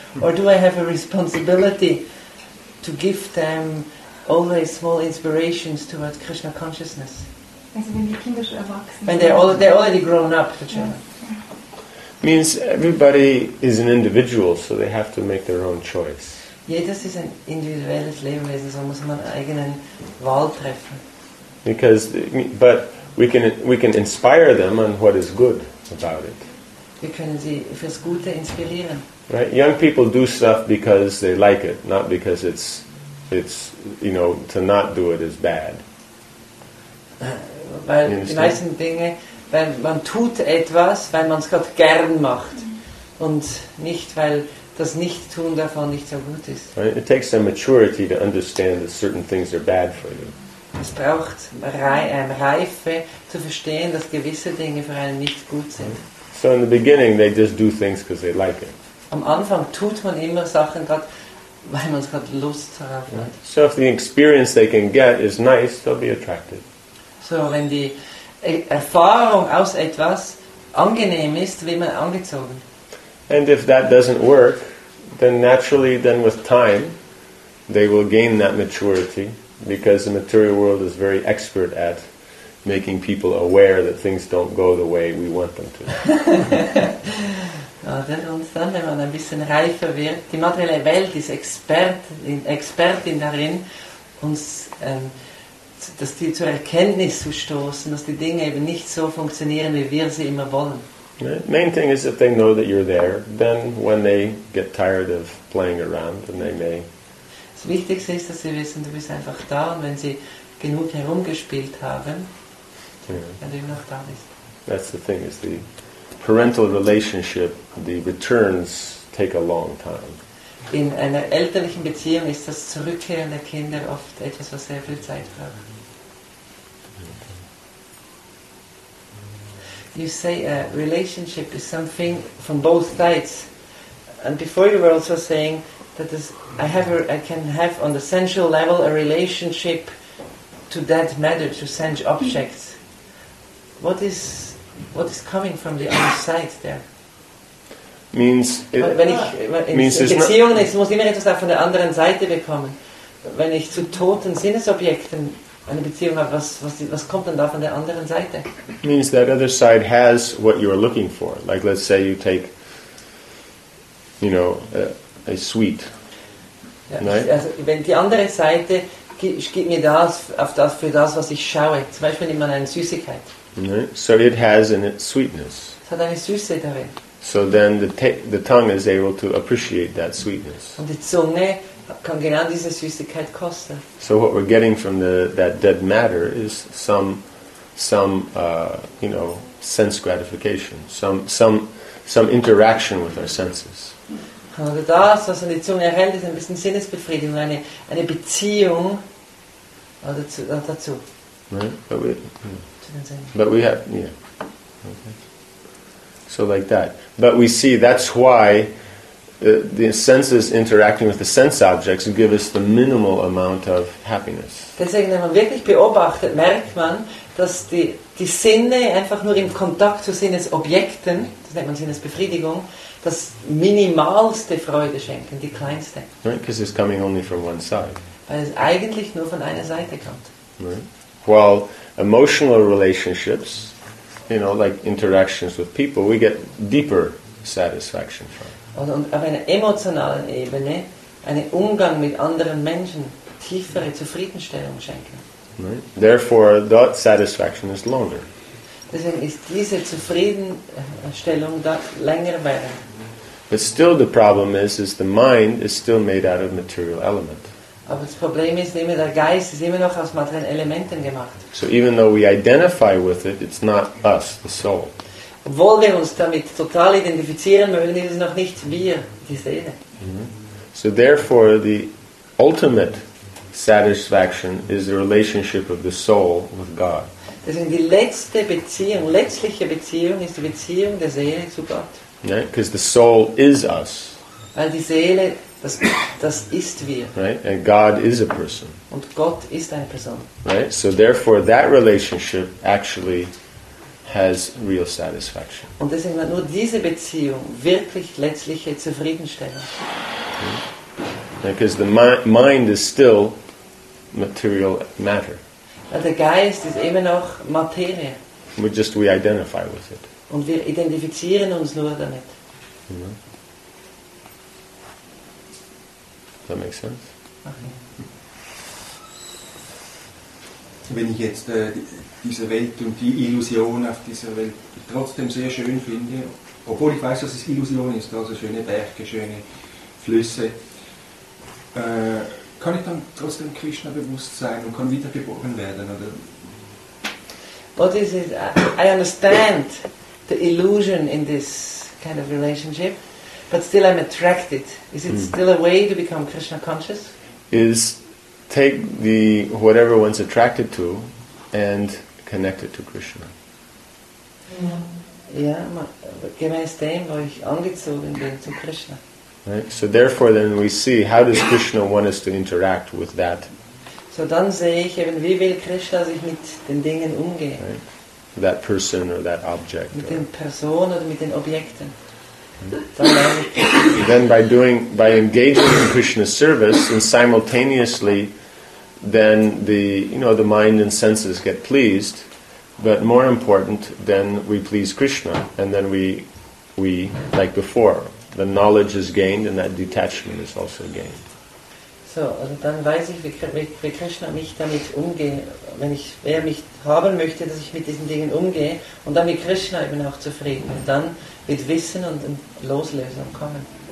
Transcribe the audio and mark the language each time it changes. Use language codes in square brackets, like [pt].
[en] Or do I have a responsibility to give them always small inspirations towards Krishna consciousness? They're already grown up, the children. Yes. Means everybody is an individual, so they have to make their own choice. [de] Jedes ist ein individuelles Lebewesen, so muss man eigenen Wahl treffen. [en] Because, but we can inspire them on what is good about it. [de] Wir können sie fürs Gute inspirieren. [en] Right, young people do stuff because they like it, not because it's you know, to not do it is bad. [de] Weil die meisten Dinge, weil man tut etwas, weil man es gerade gern macht und nicht, weil das Nichttun davon nicht so gut ist. [en] Right? It takes a maturity to understand that certain things are bad for you. [de] Es braucht Reife zu verstehen, dass gewisse Dinge für einen nicht gut sind. [en] So in the beginning they just do things because they like it. [de] Am Anfang tut man immer Sachen gerade, weil man es gerade Lust darauf hat. [en] Right? So if the experience they can get is nice, they'll be attracted. [de] So, wenn die Erfahrung aus etwas angenehm ist, wird man angezogen. [en] And if that doesn't work, then naturally, then with time, they will gain that maturity, because the material world is very expert at making people aware that things don't go the way we want them to. [de] Und dann, wenn man ein bisschen reifer wird, die materielle Welt ist Expertin darin, uns dass die zur Erkenntnis zu stoßen, dass die Dinge eben nicht so funktionieren, wie wir sie immer wollen. [en] The main thing is if they know that you're there, then when they get tired of playing around, then they may. [de] Das Wichtigste ist, dass sie wissen, du bist einfach da, und wenn sie genug herumgespielt haben, wenn du immer noch da bist. [en] That's the thing, is the parental relationship, the returns take a long time. [de] In einer elterlichen Beziehung ist das Zurückkehren der Kinder oft etwas, was sehr viel Zeit braucht. [en] You say a relationship is something from both sides. And before you were also saying that I can have on the sensual level a relationship to that matter, to sense objects. What is coming from the other side there? [de] Muss immer etwas von der anderen Seite bekommen. Wenn ich zu toten Sinnesobjekten eine Beziehung habe, was kommt dann da von der anderen Seite? [en] Means that other side has what you are looking for. Like let's say you take, you know, a sweet. [de] Ja, [en] right? [de] Also wenn die andere Seite gibt mir das auf das für das, was ich schaue. Zum Beispiel nimmt man eine Süßigkeit. [en] Right? So it has in its sweetness. [de] Es hat eine Süße darin. [en] So then the tongue is able to appreciate that sweetness. [de] Und die Zunge kann genau diese Süßigkeit kosten. [en] So what we're getting from that dead matter is some sense gratification, some interaction with our senses. [de] Oder das, was an die Zunge erhält, ist ein bisschen Sinnesbefriedigung, eine Beziehung dazu. [en] Right? But we have. Okay. So like that. But we see that's why the senses interacting with the sense objects give us the minimal amount of happiness. [de] Deswegen, wenn man wirklich beobachtet, merkt man, dass die Sinne einfach nur im Kontakt zu Sinnesobjekten, das nennt man Sinnesbefriedigung, das minimalste Freude schenken, die kleinste. [en] Right, because it's coming only from one side. [de] Weil es eigentlich nur von einer Seite kommt. [en] Right. While emotional relationships, you know, like interactions with people, we get deeper satisfaction from. [de] Und auf einer emotionalen Ebene einen Umgang mit anderen Menschen tiefere Zufriedenstellung schenken. [en] Right. Therefore, that satisfaction is longer. [de] Deswegen ist diese Zufriedenstellung da länger werden. [en] But still the problem is the mind is still made out of material element. [de] Aber das Problem ist immer, der Geist ist immer noch aus materiellen Elementen gemacht. [en] So even though we identify with it, it's not us, the soul. [de] Obwohl wir uns damit total identifizieren mögen, ist es noch nicht wir, die Seele. Mm-hmm. [en] So therefore the ultimate satisfaction is the relationship of the soul with God. [de] Deswegen die letztliche Beziehung ist die Beziehung der Seele zu Gott. [en] Right? Because the soul is us. [de] Weil die Seele, das ist wir. [en] Right? And God is a person. [de] Und Gott ist eine Person. [en] Right? So therefore that relationship actually has real satisfaction. [de] Und deswegen hat nur diese Beziehung wirklich letztliche Zufriedenstellung. [en] Okay. Because the mind is still material matter. [de] Der Geist ist immer noch Materie. [en] We identify with it. [de] Und wir identifizieren uns nur damit. Mm-hmm. [en] That makes sense? Okay. [de] Wenn ich jetzt diese Welt und die Illusion auf dieser Welt trotzdem sehr schön finde, obwohl ich weiß, dass es Illusion ist, also schöne Berge, schöne Flüsse, kann ich dann trotzdem Krishna bewusst sein und kann wiedergeboren werden? Oder? [en] What is it? I understand the illusion in this kind of relationship, but still I'm attracted. Is it still a way to become Krishna conscious? Is take the whatever one's attracted to and connect it to Krishna. [de] Ja, gemäß dem, wo ich angezogen bin zu Krishna. [en] Right? So therefore then we see how does Krishna want us to interact with that. [de] So dann sehe ich eben, wie will Krishna sich mit den Dingen umgehen. [en] Right? That person or that object. [de] Mit den Personen oder mit den Objekten. [en] Right? [de] Dann [en] then by engaging in Krishna's service and simultaneously then the mind and senses get pleased, but more important then we please Krishna and then we like before. The knowledge is gained and that detachment is also gained. [de] So, also dann weiß ich, wie Krishna mich damit umgehen, wenn ich er mich haben möchte, dass ich mit diesen Dingen umgehe und dann mit Krishna eben auch zufrieden und dann mit Wissen und Loslösung kommen.